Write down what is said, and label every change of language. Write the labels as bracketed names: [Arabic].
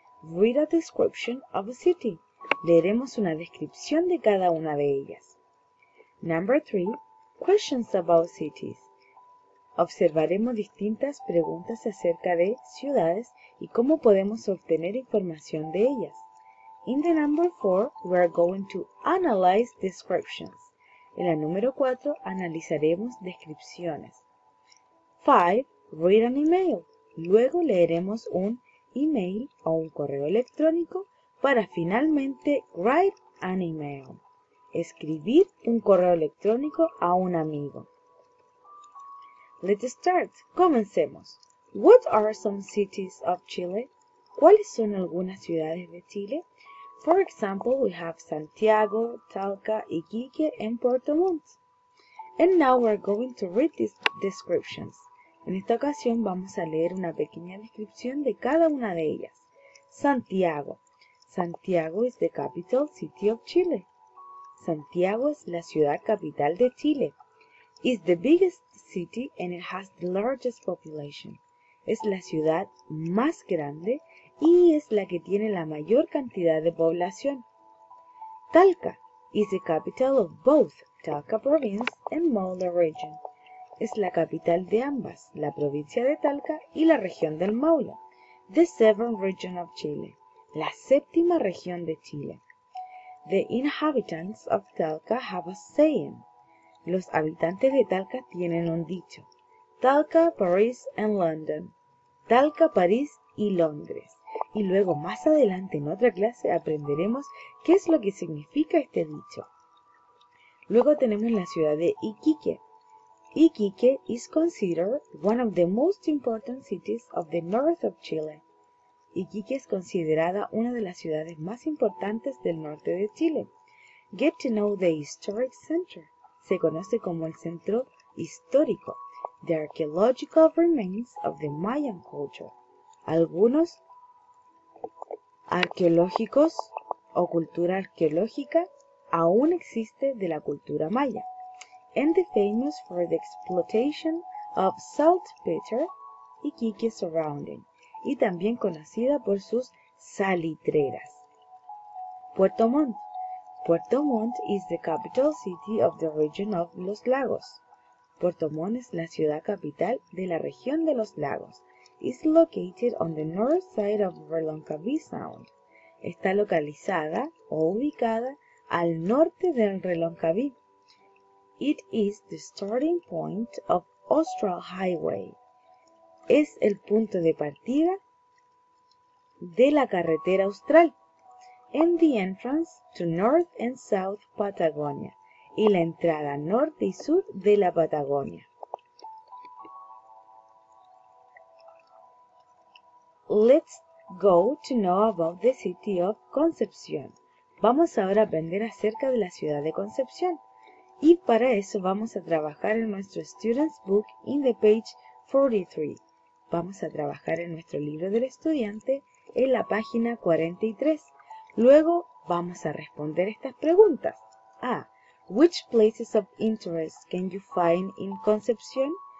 [English] Read a description of a city. [Spanish] Leeremos una descripción de cada una de ellas. [English] Number three, questions about cities. [Spanish] Observaremos distintas preguntas acerca de ciudades y cómo podemos obtener información de ellas. [English] In the number four, we are going to analyze descriptions. [Spanish] En la número 4, analizaremos descripciones. [English] Five, read an email. [Spanish] Luego leeremos un email o un correo electrónico para finalmente [English] write an email. [Spanish] Escribir un correo electrónico a un amigo. [English] Let's start. [Spanish] Comencemos. [English] What are some cities of Chile? [Spanish] ¿Cuáles son algunas ciudades de Chile? [English] For example, we have Santiago, Talca, Iquique, and Puerto Montt. And now we're going to read these descriptions. [Spanish] En esta ocasión vamos a leer una pequeña descripción de cada una de ellas. [English] Santiago. Santiago is the capital city of Chile. [Spanish] Santiago es la ciudad capital de Chile. [English] It's the biggest city and it has the largest population. [Spanish] Es la ciudad más grande y es la que tiene la mayor cantidad de población. [English] Talca is the capital of both Talca province and Maule region. [Spanish] Es la capital de ambas, la provincia de Talca y la región del Maule. [English] The seventh region of Chile. [Spanish] La séptima región de Chile. [English] The inhabitants of Talca have a saying. [Spanish] Los habitantes de Talca tienen un dicho. [English] Talca, Paris and London. [Spanish] Talca, París y Londres. Y luego, más adelante en otra clase, aprenderemos qué es lo que significa este dicho. Luego tenemos la ciudad de Iquique. [English] Iquique is considered one of the most important cities of the north of Chile. [Spanish] Iquique es considerada una de las ciudades más importantes del norte de Chile. [English] Get to know the historic center. [Spanish] Se conoce como el centro histórico. [English] The archaeological remains of the Mayan culture. [Spanish] Algunos arqueológicos o cultura arqueológica aún existe de la cultura maya. [English] And the famous for the exploitation of saltpeter, Iquique surrounding, [Spanish] y también conocida por sus salitreras. [English] Puerto Montt. Puerto Montt is the capital city of the region of Los Lagos. [Spanish] Puerto Montt es la ciudad capital de la región de Los Lagos. [English] It's located on the north side of Relancabí Sound. [Spanish] Está localizada o ubicada al norte del Reloncaví. [English] It is the starting point of Austral Highway. [Spanish] Es el punto de partida de la carretera austral. [English] And the entrance to North and South Patagonia. [Spanish] Y la entrada norte y sur de la Patagonia. [English] Let's go to know about the city of Concepción. [Spanish] Vamos ahora a aprender acerca de la ciudad de Concepción. Y para eso vamos a trabajar en nuestro [English] student's book in the page 43. [Spanish] Vamos a trabajar en nuestro libro del estudiante en la página 43. Luego vamos a responder estas preguntas. [English] Which places of interest can you find in Concepción?